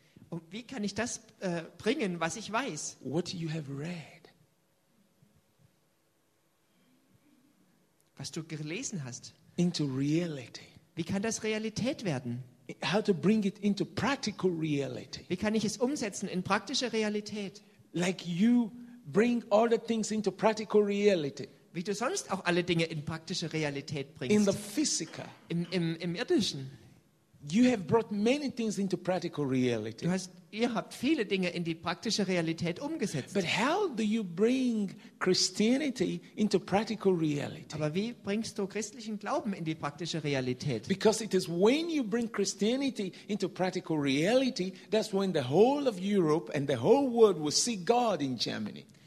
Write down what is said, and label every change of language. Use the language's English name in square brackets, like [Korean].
[German] Und wie kann ich das bringen, was ich weiß? [English] What you have read. [German] Was du gelesen hast. [English] Into reality. [German] Wie kann das Realität werden? [English] How to bring it into practical reality. [German] Wie kann ich es umsetzen in praktische Realität? [English] Like you bring all the things into practical reality. [German] Wie du sonst auch alle Dinge in praktische Realität bringst. [English] In the physical. [German] Im Irdischen. [English] You have brought many things into practical reality. [German] Ihr habt viele Dinge in die praktische Realität umgesetzt. [English] But how do you bring Christianity into practical reality? [German] Aber wie bringst du christlichen Glauben in die praktische Realität? [English] Because it is when you bring Christianity into practical reality, that's when the whole of Europe and the whole world will see God in Germany.